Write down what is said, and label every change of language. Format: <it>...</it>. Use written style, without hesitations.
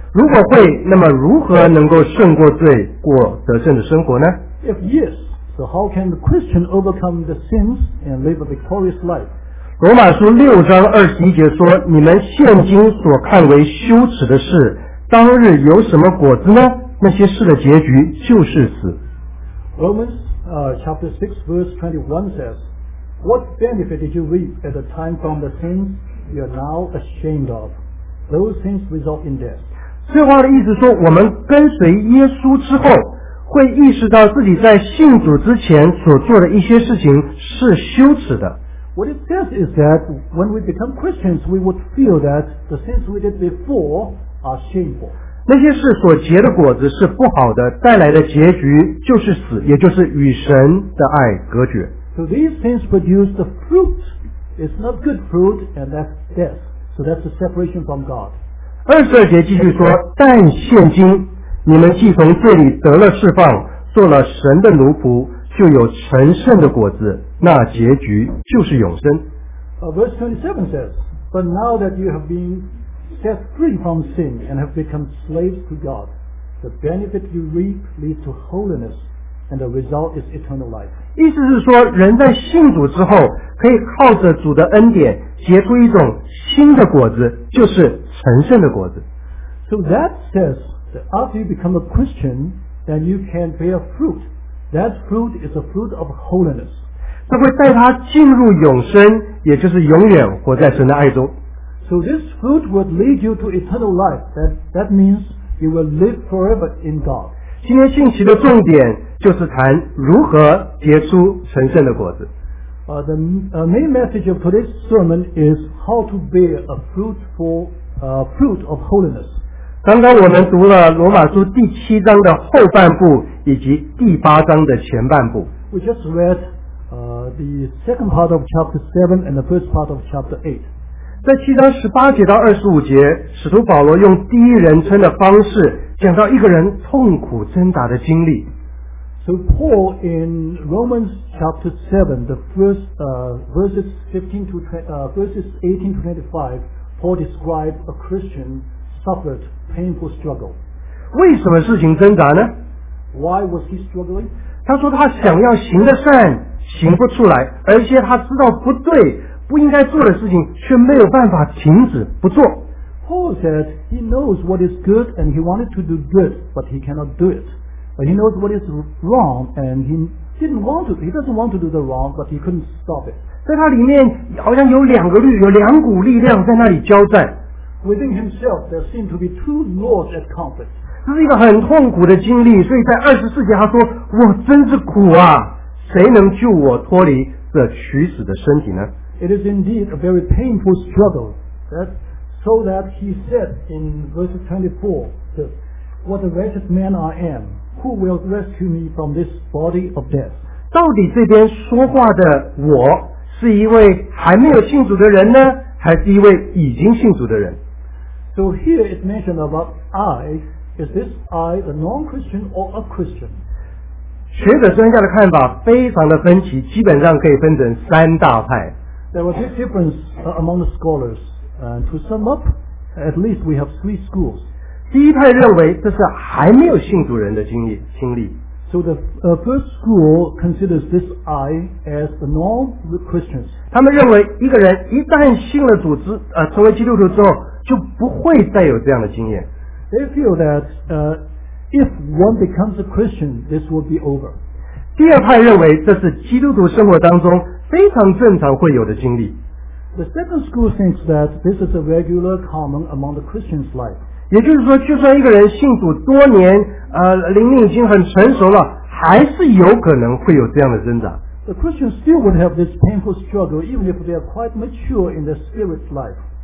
<zh>如果会，那么如何能够胜过罪，过得胜的生活呢？</zh> <en>If yes, so how can the Christian overcome the sins and live a victorious life?</en> <zh>罗马书六章二十一节说，你们现今所看为羞耻的事，当日有什么果子呢？那些事的结局就是死。</zh> <en>Romans chapter 6 verse 21 says, What benefit did you reap at the time from the sins you are now ashamed of? Those things result in death.</en> <zh>这话的意思说，我们跟随耶稣之后，会意识到自己在信主之前所做的一些事情是羞耻的。</zh> <en>What it says is that when we become Christians, we would feel that the things we did before are shameful.</en> <zh>那些事所结的果子是不好的，带来的结局就是死，也就是与神的爱隔绝。</zh> <en>So these things produce the fruit. It's not good fruit, and that's death. So that's the separation from God.</en> <zh>二十二节继续说，但现今你们既从罪里得了释放，做了神的奴仆，就有成圣的果子，那结局就是永生。</zh> <en>Verse 27 says, But now that you have been set free from sin and have become slaves to God, the benefit you reap leads to holiness, and the result is eternal life.</en> <zh>意思是说，人在信主之后，可以靠着主的恩典结出一种新的果子，就是成圣的果子。</zh> <en>So that says that after you become a Christian, then you can bear fruit. That fruit is a fruit of holiness.</en> <zh>这会带他进入永生，也就是永远活在神的爱中。</zh> <en>So this fruit would lead you to eternal life. That means you will live forever in God.</en> <zh>今天信息的重点就是谈如何结出成圣的果子。</zh> <en>The main message of today's sermon is how to bear a fruit of holiness.</en> <zh>刚刚我们读了罗马书第七章的后半部以及第八章的前半部。</zh> <en>We just read the second part of chapter 7 and the first part of chapter 8.</en> <zh>在七章十八节到二十五节，使徒保罗用第一人称的方式讲到一个人痛苦挣扎的经历。</zh> <en>So Paul in Romans chapter 7, the first verses 18 to 25, Paul described a Christian suffered painful struggle.</en> <zh>为什么事情挣扎呢？</zh> <en>Why was he struggling?</en> <zh>他说他想要行的善行不出来，而且他知道不对，不应该做的事情却没有办法停止不做。</zh> <en>Paul said he knows what is good and he wanted to do good, but he cannot do it. He knows what is wrong, and he doesn't want to do the wrong, but he couldn't stop it.</en> <zh>在他里面好像有两个律，有两股力量在那里交战。</zh> <en>Within himself, there seem to be two laws at conflict.</en> <zh>这是一个很痛苦的经历，所以在二十四节他说：“我真是苦啊！谁能救我脱离这取死的身体呢？”</zh> <en>It is indeed a very painful struggle. That so that he said in verse 24, "What a wretched man I am." Who will rescue me from this body of death?</en> <zh>到底这边说话的我是一位还没有信主的人呢，还是一位已经信主的人？</zh> <en>So here it mentioned about I. Is this I a non-Christian or a Christian?</en> <zh>学者专家的看法非常的分歧，基本上可以分成三大派。</zh> <en>There was a difference among the scholars. To sum up, at least we have three schools.</en> <zh>第一派认为这是还没有信主人的经历。</zh> <en>So the first school considers this I as the non-Christians.</en> <zh>他们认为一个人一旦信了主之成为基督徒之后，就不会再有这样的经验。</zh> <en>They feel that if one becomes a Christian, this will be over.</en> <zh>第二派认为这是基督徒生活当中非常正常会有的经历。</zh> <en>The second school thinks that this is a regular common among the Christians' life.</en> <zh>也就是说，就算一个人信主多年，灵命已经很成熟了，还是有可能会有这样的挣扎。</zh> <en>The Christians still would have this painful struggle even if they are quite mature in their spirit's life.</en>